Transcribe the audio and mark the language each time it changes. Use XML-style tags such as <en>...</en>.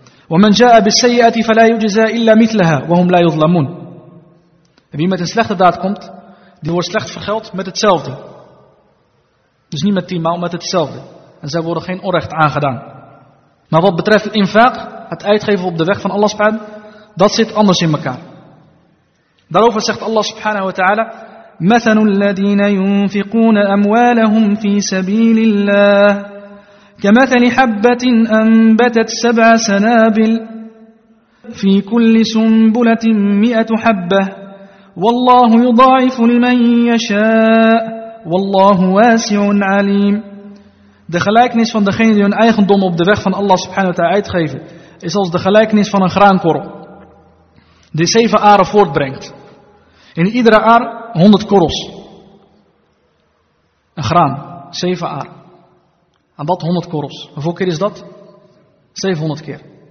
<ar>وَمَنْ جَاءَ بِالسَّيِّئَةِ فَلَا يُجْزَى إِلَّا مِثْلَهَا وَهُمْ لَا يُظْلَمُونَ.</ar> <nl>En wie met een slechte daad komt, die wordt slecht vergeld met hetzelfde. Dus niet met tienmaal, maar met hetzelfde. En zij worden geen onrecht aangedaan. Maar wat betreft infaq, het uitgeven op de weg van Allah subhanahu wa ta'ala, dat zit anders in elkaar. Daarover zegt Allah subhanahu wa ta'ala:</nl> <ar>مثل الذين ينفقون أموالهم في سبيل الله كمثل حبة أنبتت سبع سنابل في كل سنبلة مئة حبة والله يضاعف لمن يشاء والله واسع عليم.</ar> <nl>De gelijkenis van degene die hun eigendom op de weg van Allah subhanahu wa ta'ala uitgeven is als de gelijkenis van een graankorrel die 7 aren voortbrengt. In iedere aar 100 korrels. Een graan. 7 aar. Aan dat 100 korrels. Hoeveel keer is dat? 700 keer.</nl>